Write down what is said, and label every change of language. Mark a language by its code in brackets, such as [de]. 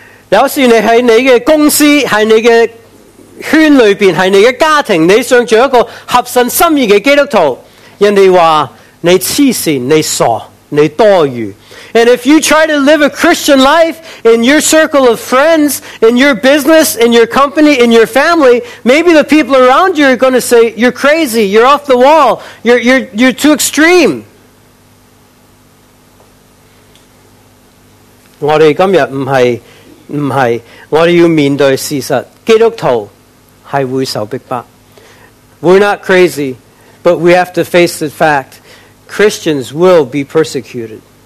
[zh] 有时你在你的公司，在你的圈里面，在你的家庭，你想做一个合神心意的基督徒，人家说你痴善，你傻，你多余。 [en] And if you try to live a Christian life in your circle of friends, in your business, in your company, in your family, maybe the people around you are going to say, you're crazy, you're off the wall, you're too extreme. [zh] 我们今天不是，我们要面对事实，基督徒是会受逼迫。 [en] We're not crazy, but we have to face the fact, Christians will be persecuted.